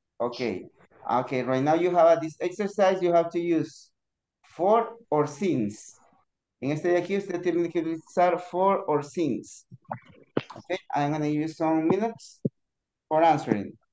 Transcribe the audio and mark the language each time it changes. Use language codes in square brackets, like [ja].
[en] Okay, right now you have this exercise you have to use for or since. [es] En este de aquí usted tiene que utilizar for or since. [en] Okay, I'm going to use some minutes for answering.